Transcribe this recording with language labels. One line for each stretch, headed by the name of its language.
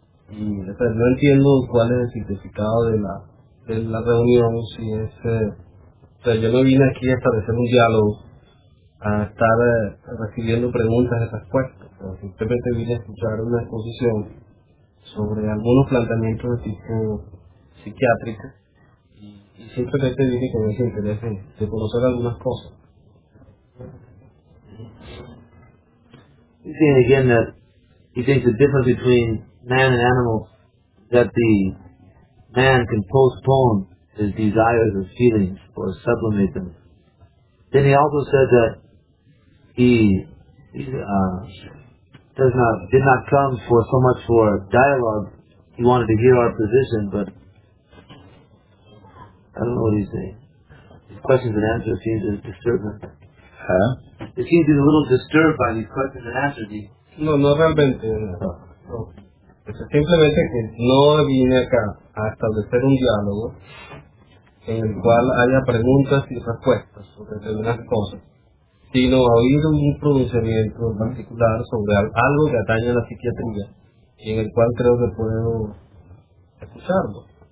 Spanish: Y o sea, no entiendo cuál es el significado de la reunión, si es yo no vine aquí a establecer un diálogo, a estar recibiendo preguntas y respuestas, pero simplemente vine a escuchar una exposición sobre algunos planteamientos de tipo psiquiátrico y simplemente vine con ese interés de conocer algunas cosas.
English: You see again that he thinks the difference between man and animals, that the man can postpone his desires or feelings or sublimate them. Then he also said that he did not come for so much for dialogue. He wanted to hear our position, but I don't know what he's saying. His questions and answers seem to disturb him. Huh? It seems to be a little disturbed by these questions and answers.
Spanish: No, no realmente. No. Simplemente que no vine acá a establecer un diálogo en el cual haya preguntas y respuestas sobre determinadas cosas, sino a oír un pronunciamiento en particular sobre algo que atañe a la psiquiatría y en el cual creo que puedo escucharlo.